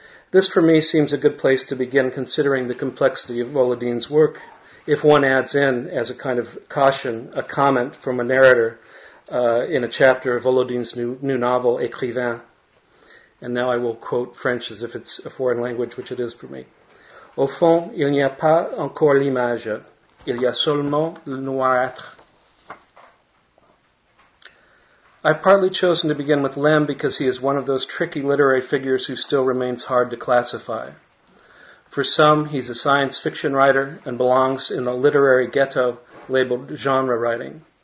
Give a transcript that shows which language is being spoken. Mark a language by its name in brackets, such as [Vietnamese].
[English] This for me seems a good place to begin considering the complexity of Volodine's work, if one adds in, as a kind of caution, a comment from a narrator in a chapter of Volodine's new novel, Écrivain. And now I will quote French as if it's a foreign language, which it is for me. [French] Au fond, il n'y a pas encore l'image. Il y a seulement le noir-être. [English] I've partly chosen to begin with Lem because he is one of those tricky literary figures who still remains hard to classify. For some, he's a science fiction writer and belongs in a literary ghetto labeled genre writing.